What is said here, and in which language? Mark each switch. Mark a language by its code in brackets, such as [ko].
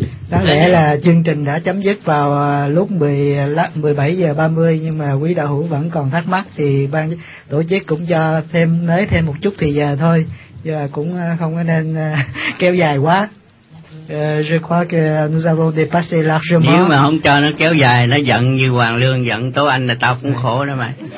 [vi] Đáng lẽ là chương trình đã chấm dứt vào lúc 17:30, nhưng mà quý đạo hữu vẫn còn thắc mắc thì ban tổ chức cũng cho nới thêm một chút thì giờ thôi, và cũng không nên kéo dài quá. [fr] Je crois que nous avons dépassé largement. [vi] Nếu mà không cho nó kéo dài, nó giận như Hoàng Lương giận Tố Anh là tao cũng khổ đó mày.